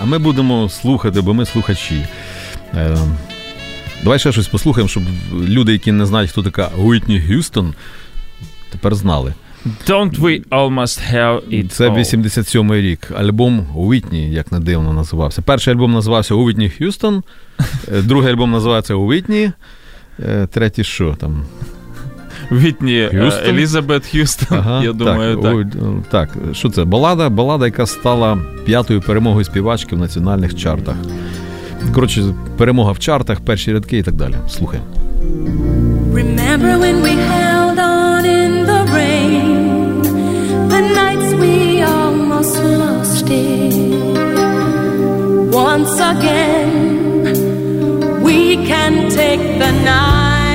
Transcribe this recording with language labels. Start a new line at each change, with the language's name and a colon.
Ukrainian: А ми будемо слухати, бо ми слухачі. Давай ще щось послухаємо, щоб люди, які не знають, хто така Уітні Х'юстон, тепер знали.
English: Don't we almost have it all?
Ukrainian: Це 87-й рік. Альбом Уітні, як не дивно, називався. Перший альбом називався Уітні Х'юстон. Другий альбом називається Уітні. Третій що там? Вітні, Елізабет Х'юстон, ага, я думаю, так. Так, що це? Балада? Балада, яка стала п'ятою перемогою співачки в національних чартах. Коротше, перемога в чартах, перші рядки і так далі. Слухай.
English: Remember when we held on in the rain, the nights we almost lost it. Once again, we can take the night.